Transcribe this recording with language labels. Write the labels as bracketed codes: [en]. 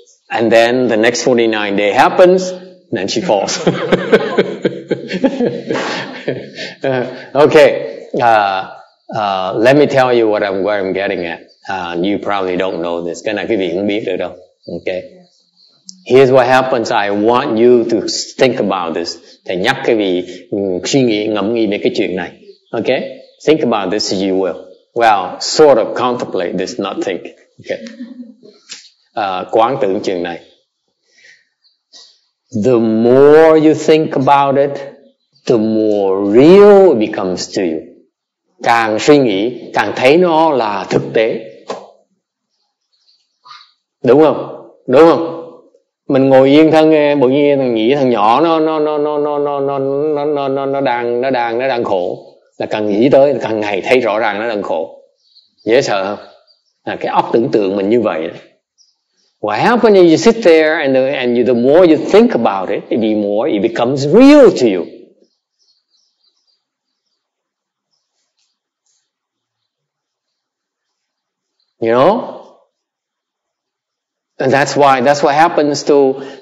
[en] And then the next 49 day happens, then she falls. okay. Let me tell you what I'm getting at. You probably don't know this. [vi] Cái này quý vị không biết được đâu. Okay. [en] Here's what happens. I want you to think about this. [vi] Thầy nhắc quý vị suy nghĩ, ngẫm nghĩ về cái chuyện này. [en] Okay? Think about this as you will. Well, sort of contemplate this, not think. Okay. [vi] Quán tưởng chuyện này. [en] The more you think about it, the more real it becomes to you. [vi] Càng suy nghĩ, càng thấy nó là thực tế. Đúng không? Đúng không? Mình ngồi yên thân nghe, bỗng nhiên thằng nghĩ thằng nhỏ nó đang khổ, là càng nghĩ tới càng ngày thấy rõ ràng nó đang khổ. Dễ sợ không? Là cái óc tưởng tượng mình như vậy. [en] What happens is you sit there and the more you think about it, the more it becomes real to you. You know? And that's what we do.